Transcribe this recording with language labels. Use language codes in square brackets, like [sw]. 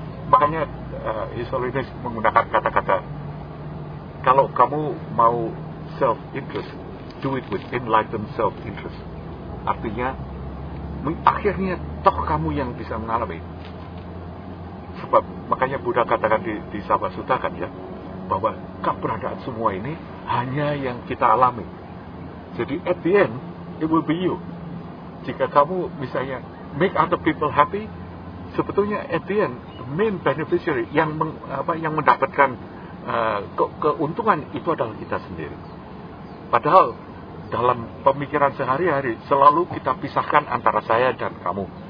[id] Makanya Isolinus menggunakan kata-kata, kalau kamu mau self-interest, [en] do it with enlightened self-interest. [id] Artinya, akhirnya toh kamu yang bisa mengalami. Sebab makanya Buddha katakan di Savasutta kan ya, bahwa keberadaan semua ini hanya yang kita alami. [en] Jadi at the end, it will be you. [id] Jika kamu misalnya [en] make other people happy, [id] sebetulnya [en] at the end, the main beneficiary [id] yang mendapatkan keuntungan itu adalah kita sendiri. Padahal dalam pemikiran sehari-hari selalu kita pisahkan antara saya dan kamu.